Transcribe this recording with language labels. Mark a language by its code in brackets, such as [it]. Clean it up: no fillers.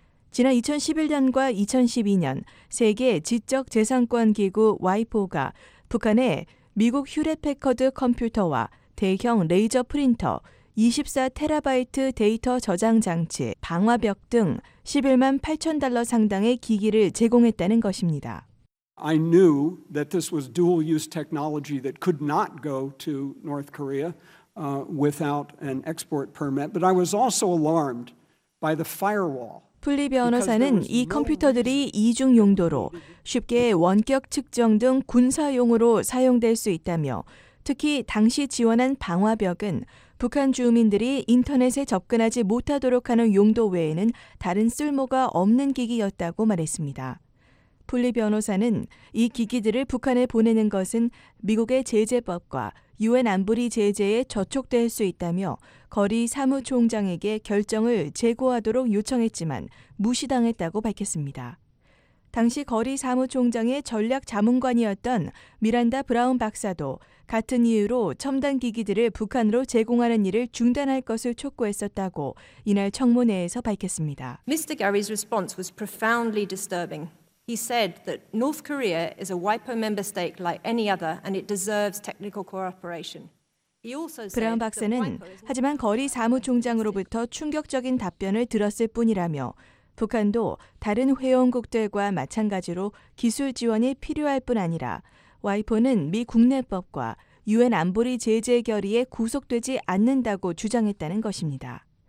[ko] 지난 2011년과 2012년 세계 지적재산권 기구 와이포가 북한에 미국 휴렛패커드 컴퓨터와 대형 레이저 프린터, 24테라바이트 데이터 저장 장치, 방화벽 등 11만 8천 달러 상당의 기기를 제공했다는 것입니다. [en] I knew that this was dual-use technology that could not go to North Korea without an export permit, but I was also alarmed by the firewall. [ko] 풀리 변호사는 이 컴퓨터들이 이중 용도로 쉽게 원격 측정 등 군사용으로 사용될 수 있다며 특히 당시 지원한 방화벽은 북한 주민들이 인터넷에 접근하지 못하도록 하는 용도 외에는 다른 쓸모가 없는 기기였다고 말했습니다. 분리 변호사는 이 기기들을 북한에 보내는 것은 미국의 제재법과 유엔 안보리 제재에 저촉될 수 있다며 거리 사무총장에게 결정을 재고하도록 요청했지만 무시당했다고 밝혔습니다. 당시 거리 사무총장의 전략 자문관이었던 미란다 브라운 박사도 같은 이유로 첨단 기기들을 북한으로 제공하는 일을 중단할 것을 촉구했었다고 이날 청문회에서 밝혔습니다. [en] Mr. Gary's response was profoundly disturbing. He said that North Korea is a WIPO member state like any other and it deserves technical cooperation. [ko] 브라운 박사는 하지만 거리 사무총장으로부터 충격적인 답변을 들었을 뿐이라며 북한도 다른 회원국들과 마찬가지로 기술 지원이 필요할 뿐 아니라 와이포는 미 국내법과 유엔 안보리 제재 결의에 구속되지 않는다고 주장했다는 것입니다.